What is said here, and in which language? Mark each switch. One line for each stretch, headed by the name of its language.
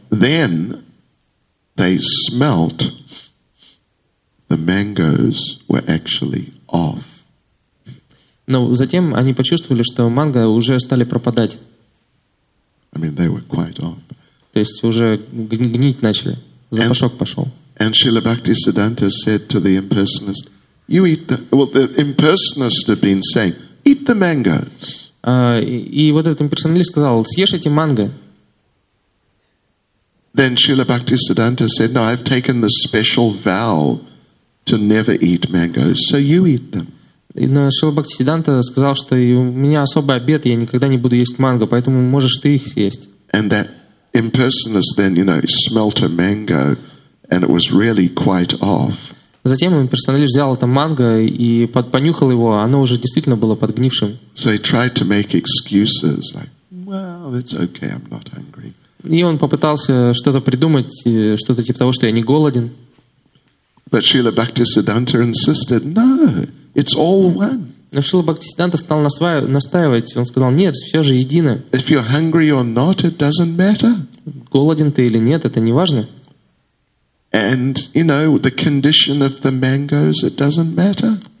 English: Then they smelt the mangoes were actually off.
Russian: Но затем они почувствовали, что манго уже стали пропадать.
English: I mean, they were quite off.
Russian: То есть уже гнить начали. Запашок пошел.
English: And Srila Bhaktisiddhanta said to the impersonalist, "You eat the..." Well, the impersonalist had been saying, "Eat the mangoes."
Russian: И вот этот имперсоналист сказал, "Съешь эти манго."
English: Then Srila Bhaktisiddhanta said, "No, I've taken the special vow to never eat mangoes, so you eat them."
Russian: Но Шрила Бхактисиддханта сказал, что у меня особый обет, я никогда не буду есть манго, поэтому можешь ты их съесть.
English: And that impersonalist then, you know, smelt a mango, and it was really quite off.
Russian: Затем имперсоналист взял это манго и понюхал его, оно уже действительно было подгнившим.
English: So he tried to make excuses, like, "Well, it's okay, I'm not hungry."
Russian: И он попытался что-то придумать, что-то типа того, что я не голоден.
English: But Srila Bhaktisiddhanta insisted, "No, it's all one."
Russian: Но Шрила Бхактисиддханта стал настаивать. Он сказал, нет, все же едино.
English: If you're hungry or not, it doesn't matter.
Russian: Голоден ты или нет, это не важно.
English: And, you know, the condition of the mangoes, it doesn't matter.